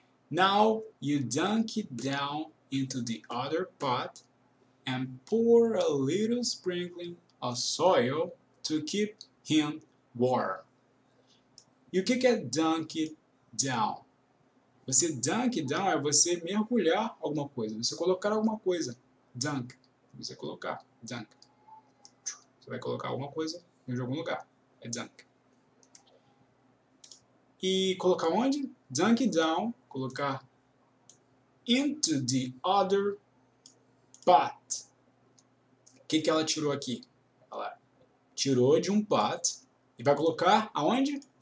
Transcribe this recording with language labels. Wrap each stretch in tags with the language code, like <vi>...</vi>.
<en>Now you dunk it down into the other pot and pour a little sprinkling of soil to keep him warm.</en> <pt>E o que é</pt> <en>dunk it down?</en> <pt>Você</pt> <en>dunk it down</en> <pt>é você mergulhar alguma coisa, você colocar alguma coisa. Dunk, você colocar. Dunk. Você vai colocar alguma coisa em algum lugar. É dunk. E colocar onde?</pt> <en>Dunk it down,</en> <pt>colocar</pt> <en>into the other pot.</en> <pt>O que ela tirou aqui? Ela tirou de um pot e vai colocar aonde?</pt>